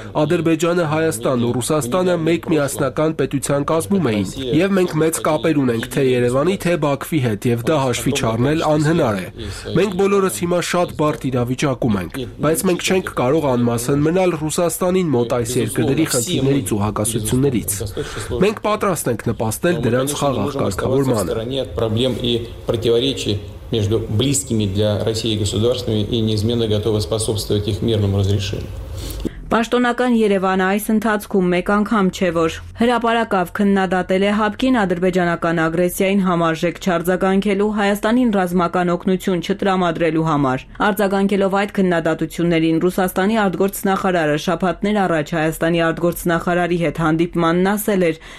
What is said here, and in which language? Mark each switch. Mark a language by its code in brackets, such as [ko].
[hy] Ադրբեջանը, Հայաստանն ու Ռուսաստանը մեկ միասնական պետության կազմում էին, և մենք մեծ կապեր ունենք թե Երևանի, թե Բաքվի հետ, և դա հաշվի չառնել անհնար է։ Մենք բոլորս հիմա շատ բարդ իրավիճակում ենք, բայց մենք չենք կարող անմասն մնալ Ռուսաստանին մոտ այս երկրների խնդիրների ու հակասություններից։ Մենք պատրաստ ենք նպաստել դրանց խաղաղ կարգավորմանը։ [ru] Между близкими для России государствами и неизменно готовы способствовать их мирному разрешению. [hy] Պաշտոնական Երևանը այս ընթացքում մեկ անգամ չէ, որ հրապարակավ քննադատել է ՀԱՊԿ-ին ադրբեջանական ագրեսիային համարժեք չարձագանքելու, Հայաստանին ռազմական օգնություն չտրամադրելու համար։ Արձագանքելով այդ քննադատություններին, Ռուսաստանի արտգործնախարարը շաբաթներ առաջ Հայաստանի արտգործնախարարի հետ հանդիպմանն ասել էր,